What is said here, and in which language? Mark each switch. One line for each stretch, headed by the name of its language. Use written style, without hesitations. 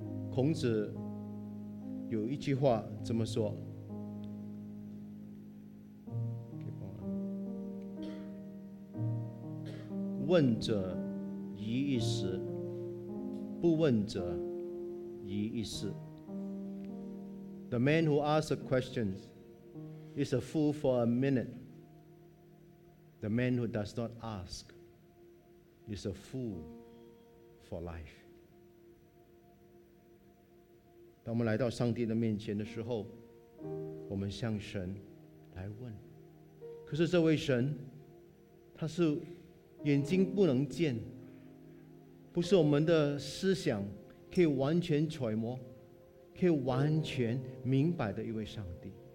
Chinese: 孔子有一句话这么说，问者宜一时，不问者宜一世。
English: The man who asks the questions is a fool for a minute. The man who does not ask is a fool for life.
Chinese: 当我们来到上帝的面前的时候，我们向神来问。可是这位神，他是眼睛不能见，不是我们的思想可以完全揣摩、可以完全明白的一位上帝。